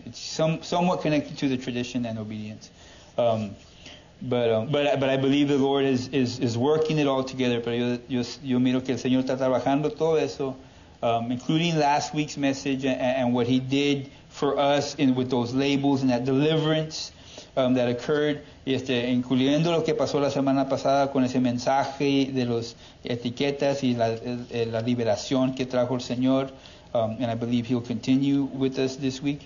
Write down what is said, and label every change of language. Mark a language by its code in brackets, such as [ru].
[en] It's somewhat connected to the tradition and obedience. But I believe the Lord is working it all together. [es] Pero yo miro que el Señor está trabajando todo eso, [en] including last week's message and what He did for us in with those labels and that deliverance that occurred. [es] Incluyendo lo que pasó la semana pasada con ese mensaje de los etiquetas y la liberación que trajo el Señor. [en] And I believe He'll continue with us this week.